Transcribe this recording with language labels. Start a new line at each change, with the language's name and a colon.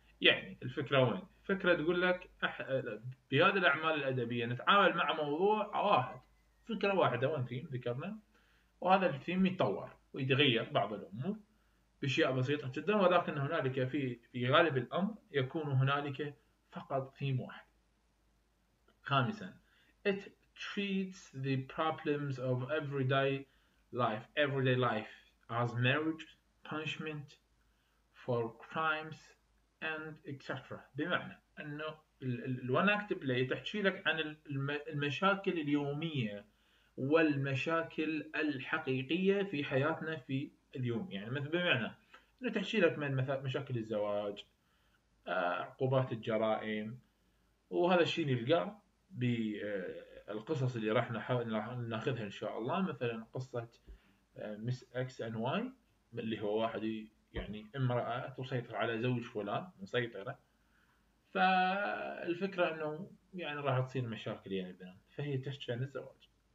Arabic: يعني الفكرة وين؟ فكرة تقول لك بهذه الأعمال الأدبية نتعامل مع موضوع واحد، فكرة واحدة،
English: one theme
Arabic: ذكرنا، وهذا الثيم يتطور ويتغير بعض الأمور بشيء بسيطة جدا، ولكن هنالك في غالب الأمر يكون هنالك فقط ثيم واحد.
English: خامسا، it treats the problems of everyday life as marriage, punishment for crimes and etc.
Arabic: بمعنى أنه الوان أكت بلاي تحكي لك عن المشاكل اليومية والمشاكل الحقيقية في حياتنا في اليوم، يعني مثل بمعنى أنه تحكي لك من مشاكل الزواج، عقوبات الجرائم، وهذا الشيء نلقاه بالقصص اللي راح ناخذها إن شاء الله، مثلا قصة مس اكس ان واي، اللي هو واحد يعني امرأة تسيطر على زوج فلان، مسيطرة، فالفكرة أنه يعني راح تصير مشاكل يعني بينهم، فهي تحكي عن الزواج.